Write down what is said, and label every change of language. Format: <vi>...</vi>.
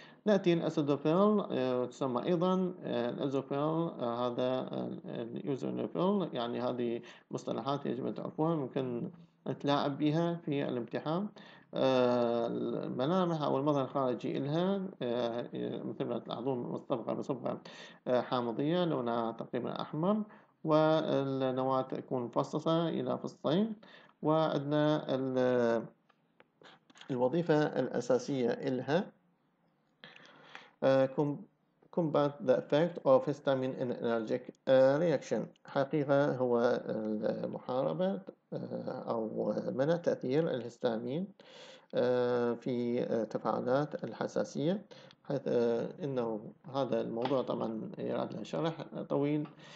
<ar>نأتي الأسيدوفيل تسمى أيضا الأزوفيل، هذا الأزوفيل يعني هذه مصطلحات يجب أن تعرفوها، ممكن تلاعب بها في الامتحان. الملامح أو المظهر الخارجي إلها مثل ما تلاحظون مصطبغة بصبغة حامضية لونها تقريبا أحمر، والنواة تكون مفصصة إلى فصين. وعندنا الوظيفة الأساسية إلها</ar> <en>combat the effect of histamine in allergic reaction.</en> <ar>حقيقة هو محاربة أو منع تأثير الهستامين في تفاعلات الحساسية، حيث إنه هذا الموضوع طبعا يراد له شرح طويل.</ar>